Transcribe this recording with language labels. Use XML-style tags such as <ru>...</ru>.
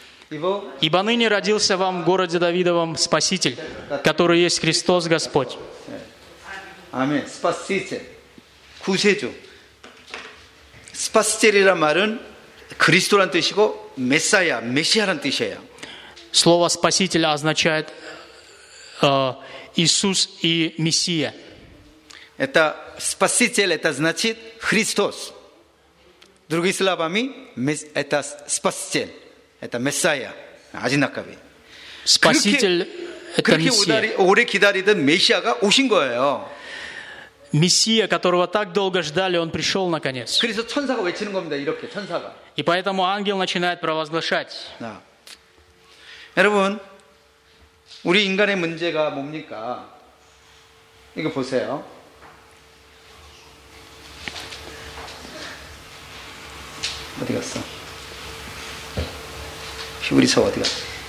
<ru>Ибо ныне родился вам в городе Давидовом Спаситель, который есть Христос Господь. Аминь. Спаситель. 구세주.</ru> <ko>스파스텔이란 말은 그리스도란 뜻이고 메사야, 메시아란 뜻이에요.</ko> <ru>Слово спаситель означает Иисус и Мессия. Это спаситель, это значит Христос. Другими словами, это спаситель, это Мессия, одинаковый. Спаситель, это Мессия.</ru> <ko>그렇게 오래 기다리던 메시아가 오신 거예요.</ko> <ru>Мессия, которого так долго ждали, он пришел наконец.</ru> <ko>그래서 천사가 외치는 겁니다, 이렇게 천사가.</ko> <ru>И поэтому ангел начинает провозглашать.</ru> <ko>여러분, 우리 인간의 문제가 뭡니까? 이거 보세요. 어디 갔어? 히브리서 어디 갔어?</ko>